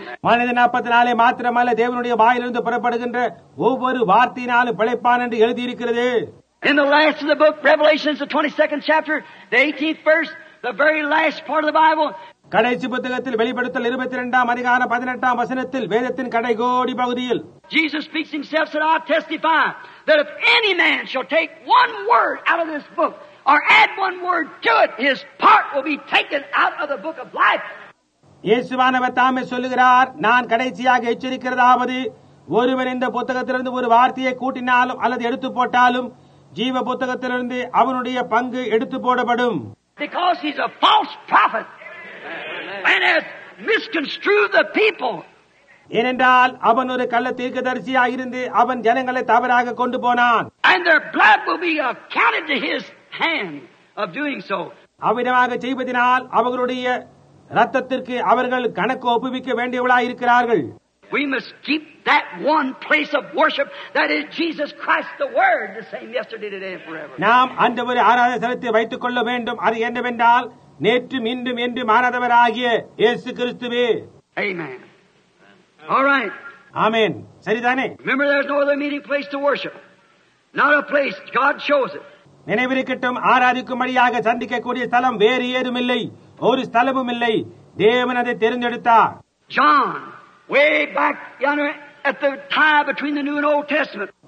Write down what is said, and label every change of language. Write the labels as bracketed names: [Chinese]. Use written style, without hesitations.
[Tamil] மனிதன் 44 மாத்திரமல்ல, தேவனுடைய வாயிலிருந்து புறப்படுகின்ற ஒவ்வொரு வார்த்தையினாலும் பிழைப்பான் என்று எழுதியிருக்கிறது. [English] In the last of the book, Revelation, the 22nd chapter, the 18th verse, the very last part of the Bible. [Tamil] கடைசி புத்தகத்தில் வெளிப்படுத்தல் 22 அதிகாரம் 18 வசனத்தில் வேதத்தின் கடைகோடி பகுதியில் [English] Jesus speaks himself, said, I testify that if any man shall take one word out of this book or add one word to it, his part will be taken out of the book of life. [Tamil] இயேசுவானவர் தாமே சொல்லுகிறார், நான் கடைசியாக எச்சரிக்கிறதாவது ஒருவன் இந்த புத்தகத்திலிருந்து ஒரு வார்த்தையை கூட்டினாலும் அல்லது எடுத்து போட்டாலும் ஜீவ புத்தகத்திலிருந்து அவனுடைய பங்கு எடுத்து போடப்படும். [English] Because he's a false prophet. And has misconstrued the people. [Tamil] ஏனென்றால் அவன் ஒரு கள்ள தீர்க்கதரிசியாக இருந்து அவன் ஜனங்களை தவறாக கொண்டு போனான். [English] And their blood will be accounted to his hand of doing so. [Tamil] அவ்விதமாக செய்வதனால் அவர்களுடைய ரத்தத்திற்கு அவர்கள் கணக்கு ஒப்புவிக்க வேண்டியவர்களாக இருக்கிறார்கள். [English] We must keep that one place of worship that is Jesus Christ the Word, the same yesterday, today and forever. [Tamil] நாம் ஆண்டவரை ஆராதனை வைத்துக் கொள்ள வேண்டும். அது என்னவென்றால் நேற்று மீண்டும் என்று மாறாதவராகிய இயேசு கிறிஸ்துவே. [English] Amen. All right. [Tamil] Amen. சரிதானே? [English] Remember, there's no other meeting place to worship. Not a place. God chose it. [Tamil] நினைவிருக்கட்டும், ஆராதிக்கும்படியாக சந்திக்கக்கூடிய ஸ்தலம் வேறு ஏதும் இல்லை, ஒரு ஸ்தலமும் இல்லை. தேவன் அதை தேர்ந்தெடுத்தார். [English] John, way back, you know, at the time between the New and Old Testament.